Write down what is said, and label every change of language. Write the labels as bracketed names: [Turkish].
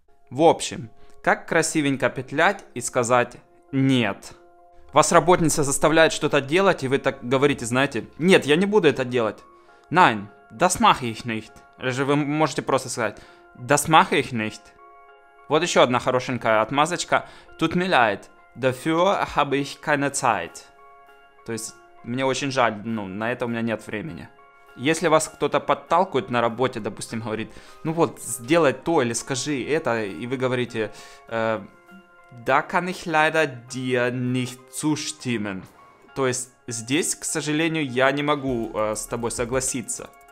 [Russian] В общем, как красивенько петлять и сказать «нет». Вас работница заставляет что-то делать, и вы так говорите, знаете, «нет, я не буду это делать». [German] «Nein, das mache ich nicht». [Russian] Или же вы можете просто сказать [German] «das mache ich nicht». [Russian] Вот еще одна хорошенькая отмазочка. [German] «Tut mir leid, dafür habe ich keine Zeit». [Russian] То есть, мне очень жаль, ну, на это у меня нет времени. Если вас кто-то подталкивает на работе, допустим, говорит, ну вот, сделай то или скажи это, и вы говорите, [German] «Da kann ich leider dir nicht zustimmen». [Russian] То есть, здесь, к сожалению, я не могу с тобой согласиться.